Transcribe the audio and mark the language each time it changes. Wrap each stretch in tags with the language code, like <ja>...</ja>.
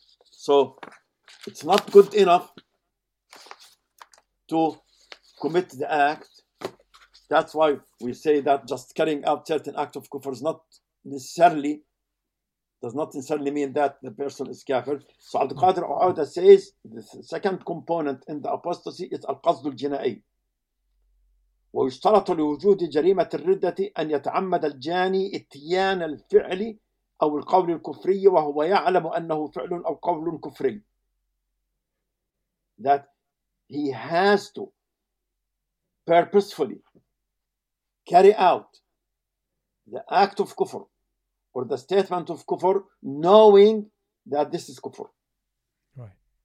<en>So it's not good enough to commit the act. That's why we say that just carrying out certain act of kufr is not necessarily, does not necessarily mean that the person is kafir. So Abdul Qadir Oda says the second component in the apostasy is al-qasd al-jina'i.</en> <ar>ويشترط لوجود جريمة الردة أن يتعمد الجاني اتيان الفعل أو القول الكفري وهو يعلم أنه فعل أو قول كفري.</ar> <en>That he has to purposefully carry out the act of kufr or the statement of kufr, knowing that this is kufr. Right.</en>